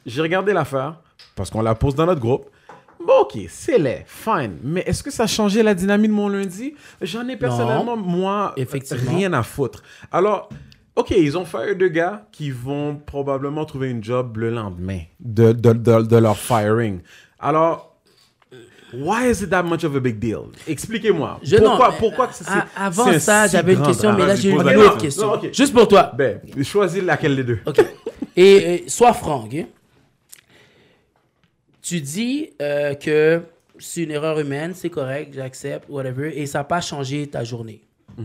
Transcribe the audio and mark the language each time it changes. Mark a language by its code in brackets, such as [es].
[fr] J'ai regardé l'affaire parce qu'on la pose dans notre groupe. Bon, ok, c'est laid, fine. Mais est-ce que ça a changé la dynamique de mon lundi? J'en ai personnellement, moi, rien à foutre. Alors, ok, ils ont fired deux gars qui vont probablement trouver une job le lendemain de leur firing. [en] Alors, why is it that much of a big deal? [fr] Expliquez-moi. J'avais une question, mais là, j'ai une autre question. Non, okay. Juste pour toi. Ben, choisis laquelle des deux. Ok. Et sois franc, ok? Tu dis que c'est une erreur humaine, c'est correct, j'accepte, whatever, et ça n'a pas changé ta journée. Mm-hmm.